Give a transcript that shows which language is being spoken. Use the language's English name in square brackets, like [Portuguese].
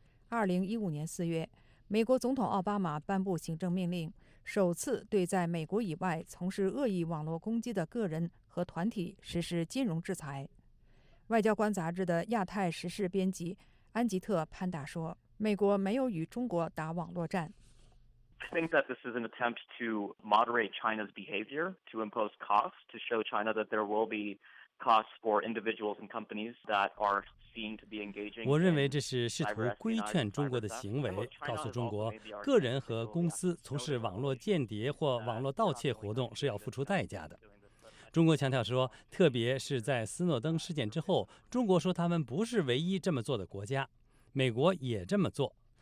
[Chinese] 2015年4月，美国总统奥巴马颁布行政命令，首次对在美国以外从事恶意网络攻击的个人和团体实施金融制裁。外交官杂志的亚太时事编辑安吉特·潘达说，美国没有与中国打网络战。 [English] I think that this is an attempt to moderate China's behavior, to impose costs, to show China that there will be costs for individuals and companies that are seen to be engaging. [Chinese] 我认为这是试图规劝中国的行为，告诉中国，个人和公司从事网络间谍或网络盗窃活动是要付出代价的。中国强调说，特别是在斯诺登事件之后，中国说他们不是唯一这么做的国家，美国也这么做。